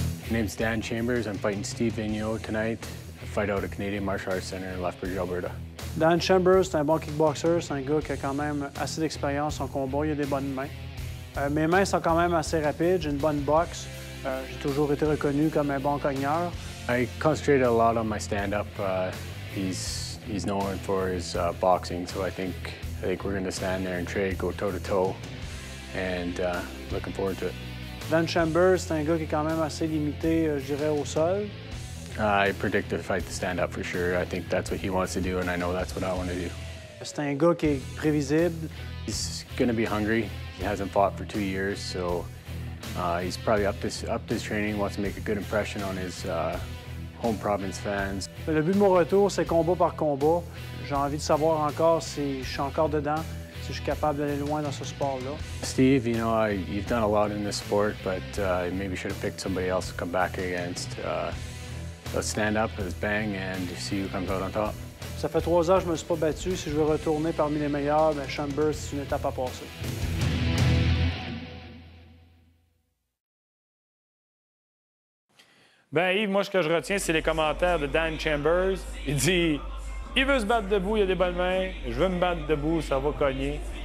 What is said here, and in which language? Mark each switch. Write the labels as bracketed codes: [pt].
[en] My name's Dan Chambers. I'm fighting Steve Vigneault tonight. I fight out of Canadian Martial Arts Center in Lethbridge, Alberta. [fr] Dan Chambers, c'est un bon kickboxer. C'est un gars qui a quand même assez d'expérience en combat. Il a des bonnes mains. Mes mains sont quand même assez rapides. J'ai une bonne boxe. J'ai toujours été reconnu comme un bon cogneur. [en] I concentrate a lot on my stand-up. He's known for his boxing, so I think we're going to stand there and trade, go toe-to-toe, and looking forward to it. [fr] Dan Chambers, c'est un gars qui est quand même assez limité, je dirais, au sol. [en] I predict the fight to stand up for sure. I think that's what he wants to do, and I know that's what I want to do. [fr] C'est un gars qui est prévisible. [en] He's going to be hungry. He hasn't fought for 2 years, so he's probably up to his training, wants to make a good impression on his home province fans. [fr] Mais le but de mon retour, c'est combat par combat. J'ai envie de savoir encore si je suis encore dedans. Je suis capable d'aller loin dans ce sport-là. [en] Steve, you know, you've done a lot in this sport, but maybe you should have picked somebody else to come back against. Let's stand up, let's bang, and see who comes out on top. [fr] Ça fait 3 ans que je ne me suis pas battu. Si je veux retourner parmi les meilleurs, ben Chambers, c'est une étape à passer. Ben Yves, moi, ce que je retiens, c'est les commentaires de Dan Chambers. Il dit... Il veut se battre debout, il a des bonnes mains. Je veux me battre debout, ça va cogner.